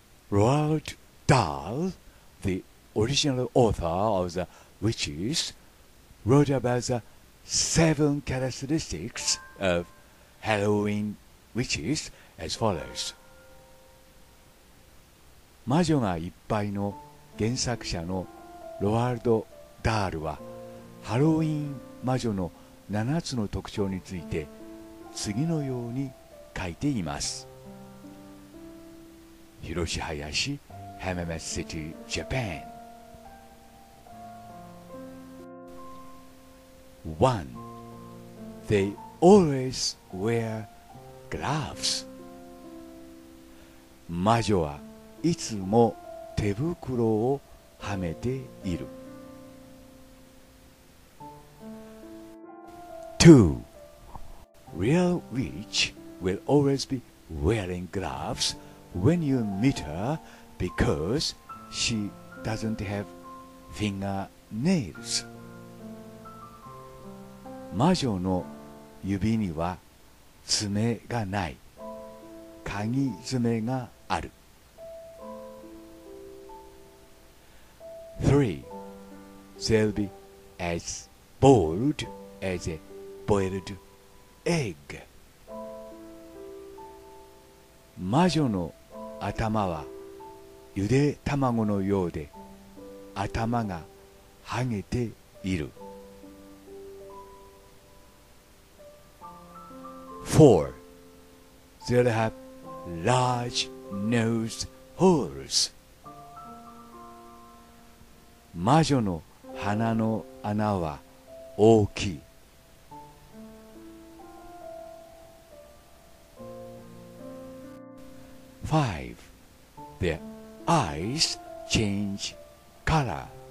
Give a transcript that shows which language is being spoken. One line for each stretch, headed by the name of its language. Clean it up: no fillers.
English: Roald Dahl, the original author of The Witches, wrote about the seven characteristics of Halloween witches as follows.
Japanese: 魔女がいっぱいの原作者のロワールド・ダールはハロウィン魔女の7つの特徴について次のように書いています。広志林ハイヤシ浜松シティジャパン。 1.
English: They always wear gloves.
Japanese: 魔女はいつも手袋をはめている。 2.
English: Real witch will always be wearing gloves when you meet her because she doesn't have fingernails.
Japanese: 魔女の指には爪がない。鍵爪がある。 3.
English: They'll be as bold as a boiled egg.
Japanese: 魔女の頭はゆで卵のようで頭がはげている。 4.
English: They'll have large nose holes.
Japanese: 魔女の鼻の穴は大きい。
English: 5. Their eyes change color.